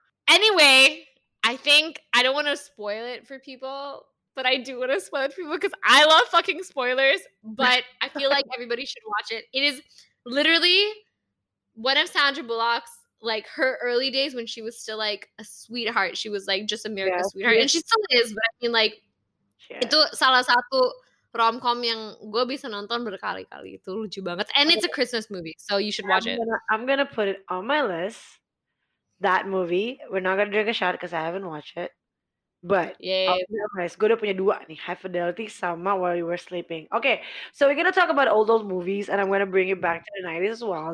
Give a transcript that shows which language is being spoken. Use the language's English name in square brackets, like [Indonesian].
[English] Anyway, I think I don't want to spoil it for people, but I do want to spoil it for people because I love fucking spoilers. But I feel like everybody should watch it. It is literally one of Sandra Bullock's. Like her early days when she was still like a sweetheart, she was like just America's sweetheart, and she still is. But I mean, like, [Indonesian] itu salah satu romcom yang gue bisa nonton berkali-kali. Itu lucu banget, [English] and it's a Christmas movie, so you should watch I'm gonna put it on my list. That movie, we're not gonna drink a shot because I haven't watched it. But yeah, [Indonesian] gue udah punya dua nih, High Fidelity sama While You Were Sleeping. [English] Okay, so we're gonna talk about old movies, and I'm gonna bring it back to the 90s as well.